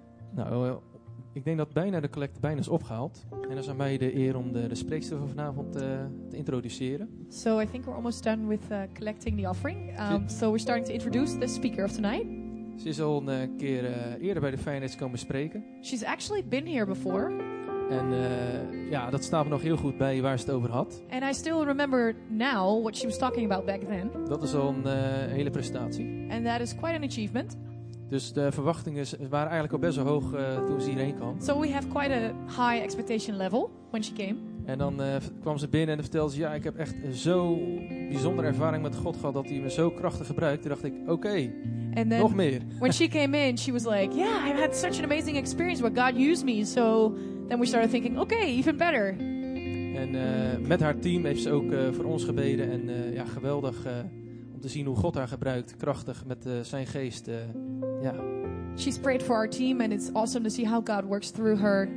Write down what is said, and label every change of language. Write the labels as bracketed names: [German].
[Dutch] Nou, ik denk dat bijna de collecte bijna is opgehaald. En dat is aan mij de eer om de spreekster van vanavond te introduceren. [English] So I think we're almost done with collecting the offering. So we're starting to introduce the speaker of tonight. [Dutch] Ze is al een keer eerder bij de finance komen spreken. [English] She's actually been here before. [Dutch] En ja, dat staat me nog heel goed bij waar ze het over had. [English] And I still remember now what she was talking about back then. [Dutch] Dat is al een hele prestatie. [English] And that is quite an achievement. [Dutch] Dus de verwachtingen waren eigenlijk al best wel hoog toen ze hierheen kwam. [English] So we have quite a high expectation level when she came. [Dutch] En dan kwam ze binnen en vertelde ze, ja, ik heb echt zo bijzondere ervaring met God gehad dat hij me zo krachtig gebruikt. Toen dacht ik, oké. [English] And then [Dutch] nog meer. [English] When she came in, she was like, yeah, I've had such an amazing experience where God used me. So then we started thinking, okay, even better. [Dutch] En met haar team heeft ze ook voor ons gebeden. En ja, geweldig om te zien hoe God haar gebruikt, krachtig met zijn geest. [English] Yeah. She's prayed for our team and it's awesome to see how God works through her.